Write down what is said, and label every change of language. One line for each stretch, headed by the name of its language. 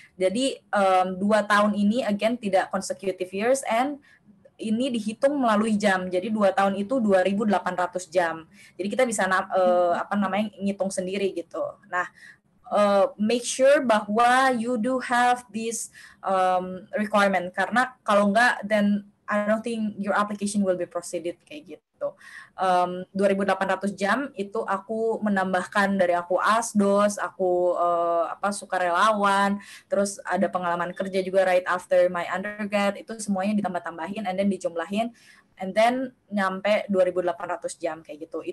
Indonesian: Jadi 2 tahun ini again tidak
English: consecutive years, and
Indonesian: ini dihitung melalui jam. Jadi 2 tahun itu 2800 jam. Jadi kita bisa ngitung sendiri gitu. Nah,
English: make sure
Indonesian: bahwa
English: you do have this requirement,
Indonesian: karena kalau enggak
English: then I don't think your application will be proceeded
Indonesian: kayak gitu. 2800 jam itu aku menambahkan dari aku asdos, aku sukarelawan, terus ada pengalaman kerja juga
English: right after my undergrad,
Indonesian: itu semuanya ditambah-tambahin
English: and then
Indonesian: dijumlahin and then nyampe 2800 jam kayak gitu.